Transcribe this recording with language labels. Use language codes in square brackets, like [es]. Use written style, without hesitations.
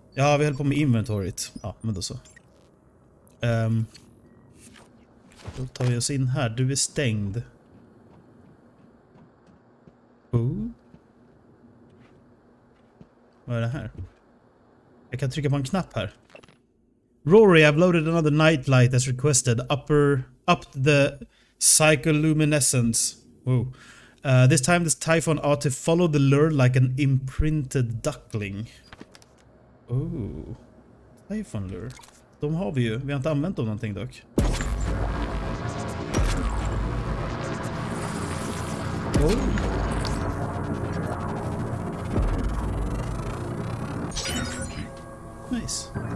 [sv] Ja, vi höll på med inventoryt. Ja, men då så. Då tar vi oss in här. Du är stängd. Ooh. Vad är det här? Jag kan trycka på en knapp här. [en] Rory, I've loaded another nightlight as requested. Up the psycholuminescence. Ooh. This time this typhon ought to follow the lure like an imprinted duckling. [sv] Oh, typhon lure. De har vi ju. Vi har inte använt dem någonting dock. Oh. [en] Nice.